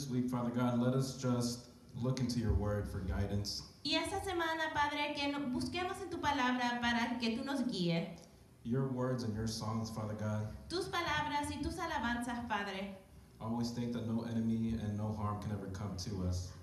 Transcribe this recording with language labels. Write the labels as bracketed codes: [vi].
[en] Father God, let us just look into your word for guidance. [es] Y esta semana, Padre, que busquemos en tu palabra para que tú nos guíe. [en] Your words and your songs, Father God. [es] Tus palabras y tus alabanzas, Padre. [en] Always think that no enemy and no harm can ever come to us.